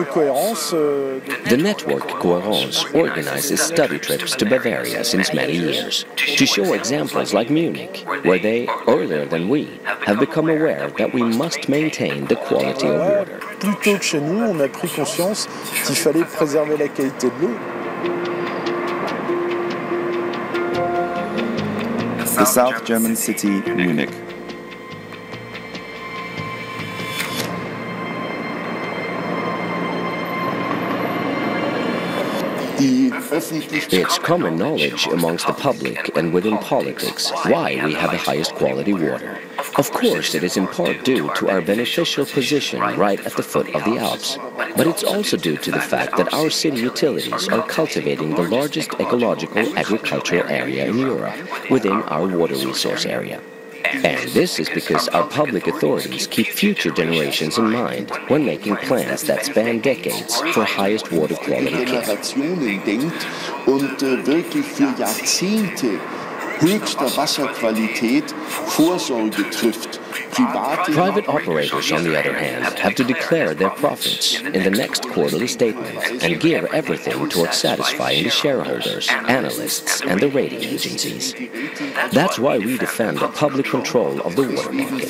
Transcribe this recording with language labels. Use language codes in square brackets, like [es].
[en] The network Coherence organizes study trips to Bavaria since many years to show examples like Munich, where they, earlier than we, have become aware that we must maintain the quality of water. [fr] Plutôt que chez nous, on a pris conscience qu'il fallait préserver la qualité de l'eau. [en] The South German city, Munich. It's common knowledge amongst the public and within politics why we have the highest quality water. Of course, it is in part due to our beneficial position right at the foot of the Alps, but it's also due to the fact that our city utilities are cultivating the largest ecological agricultural area in Europe within our water resource area. And this is because our public authorities keep future generations in mind when making plans that span decades for highest water quality care. [de] Und wirklich für Jahrzehnte höchster Wasserqualität Vorsorge trifft. [en] Private operators, on the other hand, have to declare their profits in the next quarterly statement and gear everything towards satisfying the shareholders, analysts, and the rating agencies. That's why we defend the public control of the water market.